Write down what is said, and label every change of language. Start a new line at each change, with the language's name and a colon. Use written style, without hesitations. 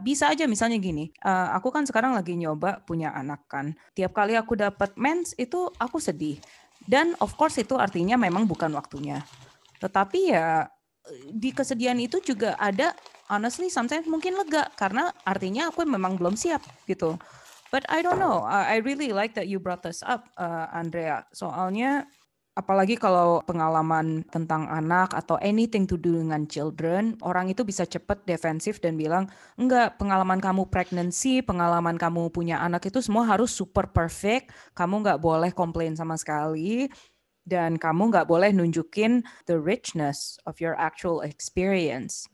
Indonesian: Bisa aja misalnya gini, aku kan sekarang lagi nyoba punya anak kan. Tiap kali aku dapat mens itu aku sedih. Dan
English: of course
Indonesian: itu artinya memang bukan waktunya. Tetapi ya di kesedihan itu juga ada
English: honestly sometimes
Indonesian: mungkin lega karena artinya aku memang belum siap gitu.
English: But I don't know. I really like that you brought this up, Andrea.
Indonesian: Soalnya apalagi kalau pengalaman tentang anak atau
English: anything to do
Indonesian: dengan children, orang itu bisa cepat defensif dan bilang, enggak, pengalaman kamu pregnancy, pengalaman kamu punya anak itu semua harus super perfect, kamu enggak boleh komplain sama sekali, dan kamu enggak boleh nunjukin
English: the richness of your actual experience.